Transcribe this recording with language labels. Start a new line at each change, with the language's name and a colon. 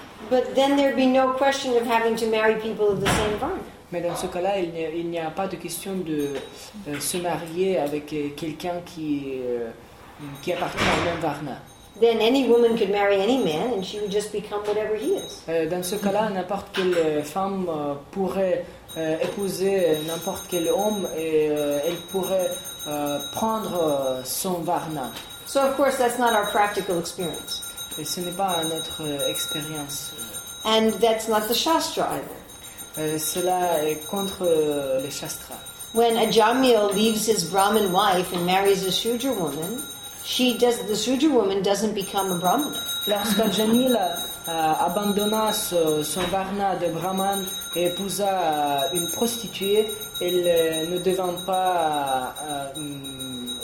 English: But then there'd be no question of having to marry people of the same varna.
French: Mais dans ce cas-là, il n'y a pas de question de se marier avec quelqu'un qui appartient au même varna.
English: Then any woman could marry any man and she would just become whatever he is.
French: Dans ce cas-là, n'importe quelle femme pourrait épouser n'importe quel homme et elle pourrait prendre son varna.
English: So of course that's not our practical experience.
French: Et ce n'est pas notre expérience.
English: And that's not the shastra either.
French: Cela est contre les shastras.
English: When Ajamil leaves his Brahmin wife and marries a Shudra woman, the Shudra woman doesn't become a Brahmin.
French: Lorsqu'Ajamil abandonna son varna de Brahman et épousa une prostituée, elle ne devint pas une